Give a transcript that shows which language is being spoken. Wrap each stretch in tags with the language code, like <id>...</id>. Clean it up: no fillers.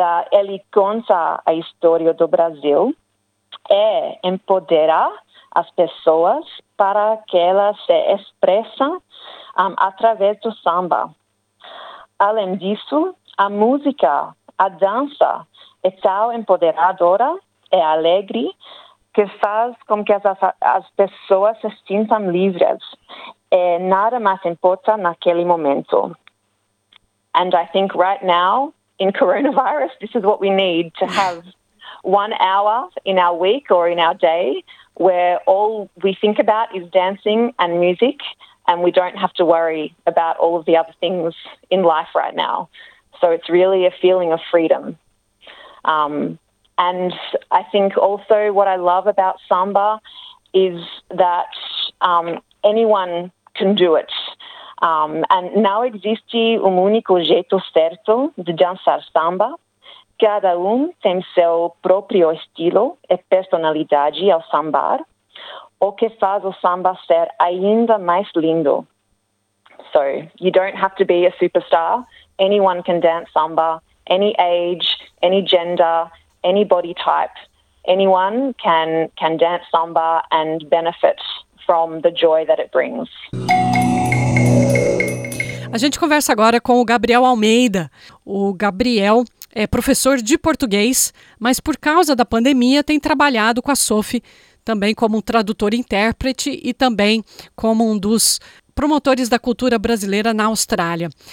<pt>Ele conta a história do Brasil e empodera as pessoas para que elas se expressem através do samba. Além disso, a música, a dança é tão empoderadora, é alegre, que faz com que as pessoas se sintam livres. E nada mais importa naquele momento.</pt> <en>And I think right now, in coronavirus, this is what we need, to have 1 hour in our week or in our day where all we think about is dancing and music, and we don't have to worry about all of the other things in life right now. So it's really a feeling of freedom. And I think also what I love about samba is that anyone can do it.</en> <pt>And não existe único jeito certo de dançar samba. Cada tem seu próprio estilo e personalidade ao sambar, o que faz o samba ser ainda mais lindo.</pt> <en>So, you don't have to be a superstar. Anyone can dance samba. Any age, any gender, any body type, anyone can dance samba and benefit from the joy that it brings.</en> <pt>A gente conversa agora com o Gabriel Almeida. O Gabriel é professor de português, mas por causa da pandemia tem trabalhado com a Sophie também como um tradutor intérprete e também como um dos promotores da cultura brasileira na Austrália.</pt>